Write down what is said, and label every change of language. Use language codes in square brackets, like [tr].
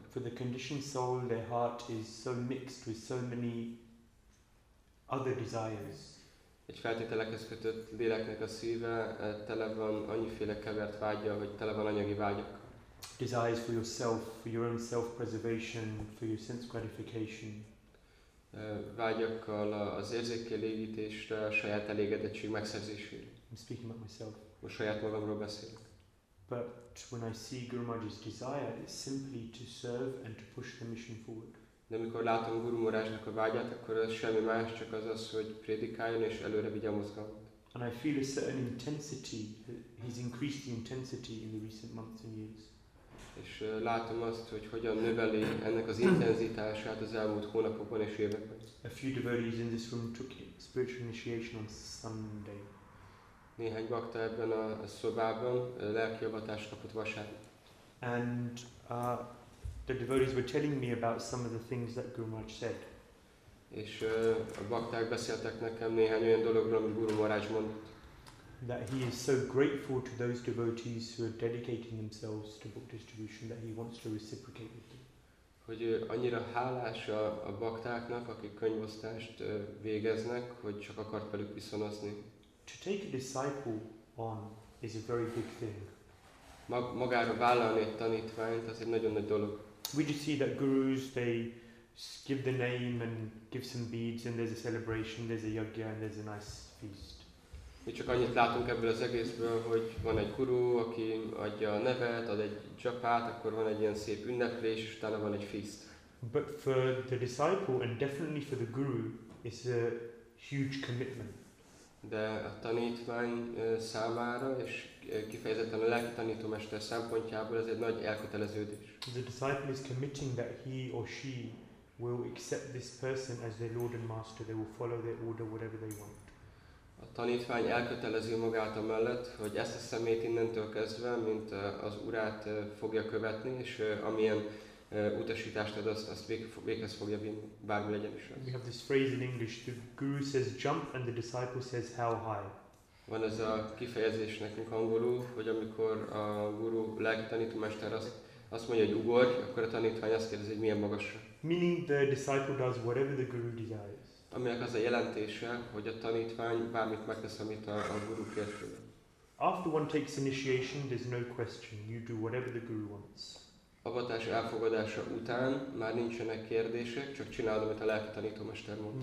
[en] For the conditioned soul, their heart is so mixed with so many other desires. [hu] Egy feltételekhez kötött léleknek a szíve tele van annyiféle kevert vágya, hogy tele van anyagi vágyak. [en] Desires for yourself, for your own self-preservation, for your sense gratification. [hu] Vágyakkal az érzékelégítésre, a saját elégedettség megszerzésére. [en] I'm speaking about myself. [hu] Most saját magamról beszélek. [en] But when I see Guru Maharaj's desire, it's simply to serve and to push the mission forward. [hu] De amikor látom Guru Maharajnak a vágyát, akkor az semmi más, csak az az, hogy prédikáljon és előre vigye a mozgalmat. [en] And I feel a certain intensity, he's increased the intensity in the recent months and years. [hu] És látom azt, hogy hogyan növeli ennek az intenzitását az elmúlt hónapokban és években. [en] A few devotees in this room took spiritual initiation on Sunday. [hu] Néhány bakta ebben a szobában lelkiavatást kapott vasárnap. [en] And the devotees were telling me about some of the things that Guru Maharaj said. [hu] És a bakták beszéltek nekem néhány olyan dologról, amit Guru Maharaj mondott. [en] That he is so grateful to those devotees who are dedicating themselves to book distribution that he wants to reciprocate with them. [hu] Hogy annyira hálás a baktáknak, akik könyvosztást végeznek, hogy csak akart velük viszonozni. [en] To take a disciple on is a very big thing. [hu] Magára vállalni egy tanítványt, az egy nagyon nagy dolog. [en] We just see that gurus, they give the name and give some beads and there's a celebration, there's a yagya and there's a nice feast. [hu] Mi csak annyit látunk ebből az egészből, hogy van egy guru, aki adja a nevet, ad egy japát, akkor van egy ilyen szép ünneplés, és utána van egy feast. [en] But for the disciple, and definitely for the guru, it's a huge commitment. [hu] De a tanítvány számára, és kifejezetten a lelki tanítómester szempontjából ez egy nagy elköteleződés. [en] The disciple is committing that he or she will accept this person as their lord and master, they will follow their order, whatever they want. [hu] A tanítvány elkötelezi magát a mellett, hogy ezt a szemét innentől kezdve, mint az urát fogja követni, és amilyen utasítást ad, azt véghez fogja vinni, bármi legyen is. [en] We have this phrase in English, the guru says jump and the disciple says how high. [hu] Van ez a kifejezés nekünk angolul, hogy amikor a guru, lelki tanítómester azt mondja, hogy ugorj, akkor a tanítvány azt kérdezi, hogy milyen magasra. [en] Meaning the disciple does whatever the guru desires. [hu] Aminek az a jelentése, hogy a tanítvány bármit megtesz, amit a guru kér tőle. [en] After one takes initiation, there's no question. You do whatever the guru wants. [hu] Avatás elfogadása után már nincsenek kérdések, csak csinálod, amit a lelki tanítómester mond.